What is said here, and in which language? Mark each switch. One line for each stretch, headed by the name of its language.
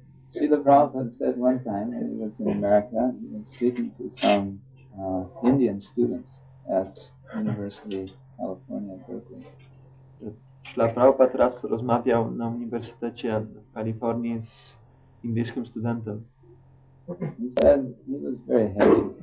English: Srila Prabhupada said one time, he was in America, he was speaking to some Indian students at University of California, Berkeley.
Polish: Srila Prabhupada raz rozmawiał na Uniwersytecie w Kalifornii z indyjskim studentem.
English: He said he was very heavy.